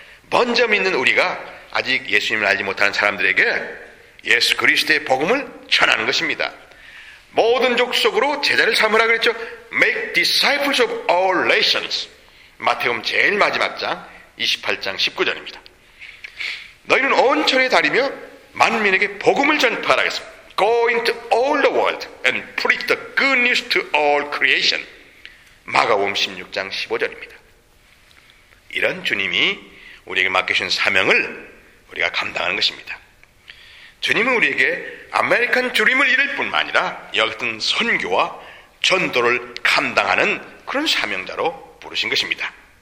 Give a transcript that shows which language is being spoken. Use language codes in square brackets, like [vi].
[ko] 먼저 믿는 우리가 아직 예수님을 알지 못하는 사람들에게 예수 그리스도의 복음을 전하는 것입니다. 모든 족속으로 제자를 삼으라 그랬죠. [en] Make disciples of all nations. [ko] 마태복음 제일 마지막 장 28장 19절입니다. 너희는 온 천에 다니며 만민에게 복음을 전파하라 그랬습니다. [en] Go into all the world and preach the good news to all creation. [ko] 마가복음 16장 15절입니다. 이런 주님이 우리에게 맡기신 사명을 우리가 감당하는 것입니다. 주님은 우리에게 아메리칸 드림을 이룰 뿐만 아니라 여하튼 선교와 전도를 감당하는 그런 사명자로 부르신 것입니다.